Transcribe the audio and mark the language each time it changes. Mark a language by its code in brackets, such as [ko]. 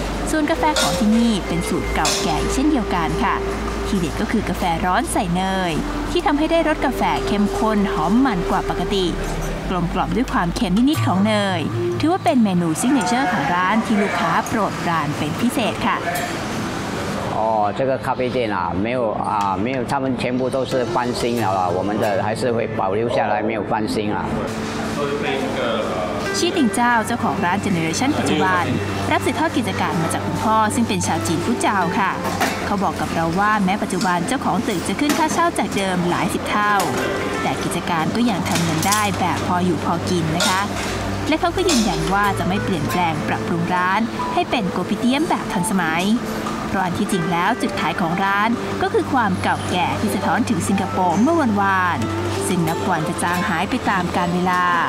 [th] ส่วนกาแฟของที่นี่เป็นสูตรเก่าแก่เช่นเดียวกันค่ะทีเด็ดก็คือกาแฟร้อนใส่เนยที่ทำให้ได้รสกาแฟเข้มข้นหอมมันกว่าปกติกลมกล่อมด้วยความเค็มนิดๆของเนยถือว่าเป็นเมนูซิกเนเจอร์ของร้านที่ลูกค้าโปรดปรานเป็นพิเศษค่ะ [zh] 哦，这个咖啡店啊，没有啊，没有，他们全部都是翻新了啦。我们的还是会保留下来，没有翻新啦。 [th] ชี้ติงเจ้าเจ้าของร้านเจเนเรชันปัจจุบันรับสืบทอดกิจการมาจากคุณพ่อซึ่งเป็นชาวจีนฟูเจาค่ะเขาบอกกับเราว่าแม้ปัจจุบันเจ้าของตึกจะขึ้นค่าเช่าจากเดิมหลายสิบเท่าแต่กิจการก็ยังทำเงินได้แบบพออยู่พอกินนะคะและเขาก็ยืนยันว่าจะไม่เปลี่ยนแปลงปรับปรุงร้านให้เป็นโกปิเตียมแบบทันสมัยเพราะอันที่จริงแล้วจุดขายของร้านก็คือความเก่าแก่ที่สะท้อนถึงสิงคโปร์เมื่อวันวานซึ่งนับวันจะจางหายไปตามกาลเวลา